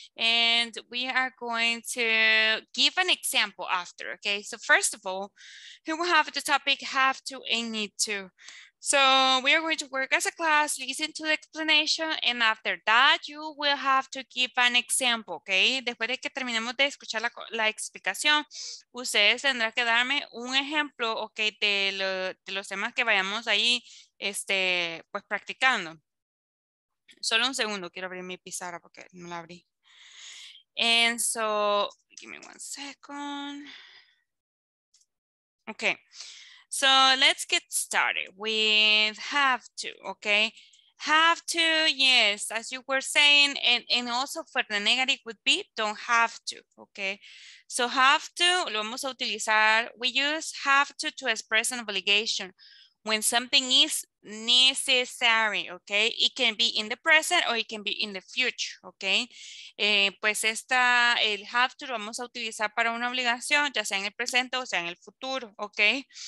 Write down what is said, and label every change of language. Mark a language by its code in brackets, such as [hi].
[en] And we are going to give an example after, okay? So first of all, who will have the topic have to and need to? So we are going to work as a class, listen to the explanation, and after that, you will have to give an example, okay? [es] Después de que terminemos de escuchar la explicación, ustedes tendrán que darme un ejemplo, okay, de los temas que vayamos ahí, pues practicando. Solo un segundo, quiero abrir mi pizarra porque no la abrí. [en] And so, give me one second. Okay. So let's get started with have to, okay? Have to, yes, as you were saying, and also for the negative would be don't have to, okay? So have to, [es] lo vamos a utilizar, [en] we use have to express an obligation when something is necessary, okay? It can be in the present or it can be in the future, okay? [es] Pues esta, el have to lo vamos a utilizar para una obligación, ya sea en el presente o sea en el futuro, okay?